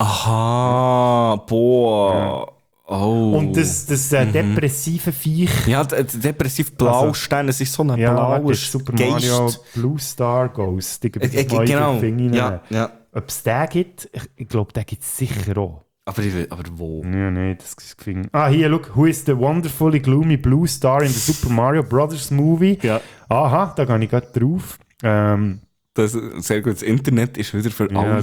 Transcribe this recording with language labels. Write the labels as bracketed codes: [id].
[de] Aha, boah. Ja. Oh. Und das depressive Viech. Ja, der depressive Blaustein, also, es ist so ein blaues Super Geist. Mario Blue Star Ghost. Genau. Ja. Ob es den gibt, ich glaube, den gibt es sicher auch. Aber wo? Nein, das ist Fing. [en] Ah, hier, look, who is the wonderfully gloomy blue star in the Super Mario Brothers Movie? [de] Ja. Aha, da gehe ich gerade drauf. Das ist sehr gut, das Internet ist wieder für alle da.